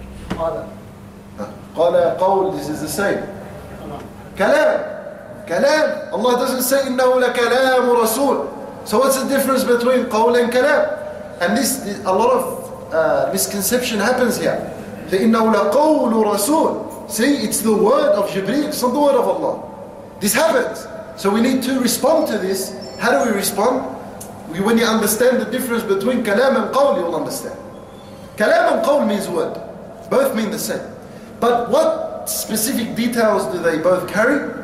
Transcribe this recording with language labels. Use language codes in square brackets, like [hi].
[ar] قَالَ. قَالَ قَوْل, [en] this is the same. [ar] كَلَام. كَلَام. [en] Allah doesn't say, [ar] إِنَّهُ لَكَلَامُ رَسُولُ. [en] So what's the difference between قول and كَلَام? And this, a lot of misconception happens here. [ar] The إِنَّهُ لَقَوْلُ رَسُولُ. [en] See, it's the word of Jibreel, it's not the word of Allah. This happens. So we need to respond to this. How do we respond? When you understand the difference between كَلَام and قَوْل, you'll understand. كَلَام and قَوْل means word. Both mean the same. But what specific details do they both carry?